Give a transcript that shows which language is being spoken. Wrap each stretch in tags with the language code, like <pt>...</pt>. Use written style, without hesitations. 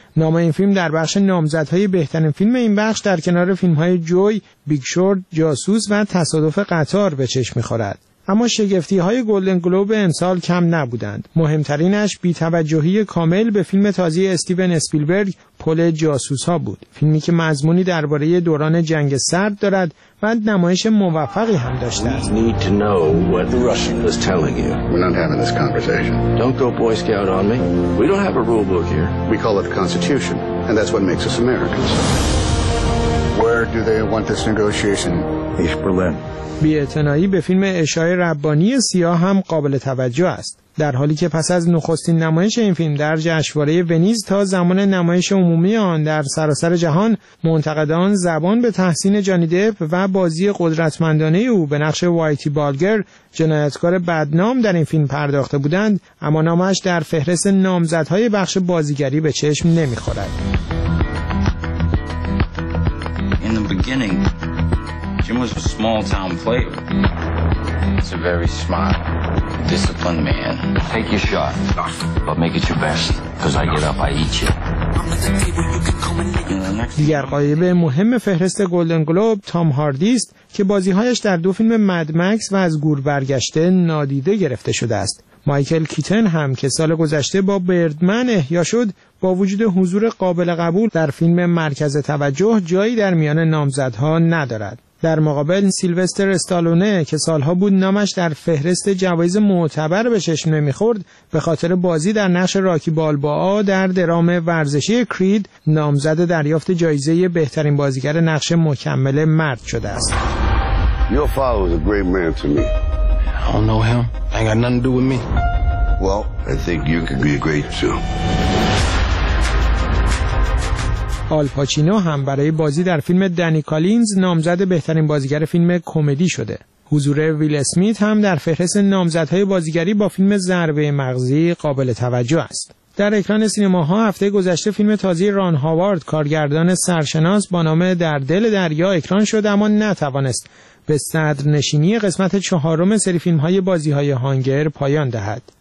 <fa>نام این فیلم در بخش نامزدهای بهترین فیلم این بخش در کنار فیلم‌های جوی، بیگ شورت، جاسوس و تصادف قطار به چشم می‌خورد. اما شگفتی‌های گلدن گلوب امسال کم نبودند. مهمترینش بی‌توجهی کامل به فیلم تازه استیون اسپیلبرگ پل جاسوس‌ها بود. فیلمی که مضمونی درباره دوران جنگ سرد دارد و نمایش موفقی هم داشته است.</fa> <en>We need to know what the Russian is telling you. We're not having this conversation. Don't go boy scout on me. We don't have a rule book here. We call it the Constitution, and that's what makes us Americans. Where do they want this negotiation? East Berlin.</en> <fa>بی‌اعتنایی به فیلم اشای ربانی سیاه هم قابل توجه است. در حالی که پس از نخستین نمایش این فیلم در جشنواره ونیز تا زمان نمایش عمومی آن در سراسر جهان، منتقدان زبان به تحسین جانی دپ و بازی قدرتمندانه او به نقش وایتی بالگر، جنایتکار بدنام در این فیلم پرداخته بودند، اما نامش در فهرست نامزدهای بخش بازیگری به چشم نمی‌خورد.</fa> <en>In the beginning, Jim was a small town player. He's a very smart, disciplined man. Take your shot, but make it your best, because I get up, I eat you.</en> <fa>دیگر غایب مهم فهرست گلدن گلوب تام هاردی است که بازیهایش در دو فیلم مد مکس و از گور برگشته نادیده گرفته شده است. مایکل کیتن هم که سال گذشته با بردمن احیا شد، با وجود حضور قابل قبول در فیلم مرکز توجه جایی در میان نامزدها ندارد. در مقابل سیلوستر استالونه که سالها بود نامش در فهرست جوایز معتبر به چشم نمی‌خورد، به خاطر بازی در نقش راکی بالبا در درام ورزشی کرید نامزد دریافت جایزه بهترین بازیگر نقش مکمل مرد شده است.</fa> <en>Your father was a great man to me. I don't know him. I ain't got nothing to do with me. Well, I think you could be great too.</en> <fa>آل پاچینو هم برای بازی در فیلم دنی کالینز نامزد بهترین بازیگر فیلم کمدی شده. حضور ویل اسمیت هم در فهرست نامزدهای بازیگری با فیلم ضربه مغزی قابل توجه است. در اکران سینماها هفته گذشته فیلم تازه ران هاوارد کارگردان سرشناس با نام در دل دریا اکران شد، اما نتوانست به صدر نشینی قسمت چهارم سری فیلم‌های بازی‌های هانگر پایان دهد.</fa>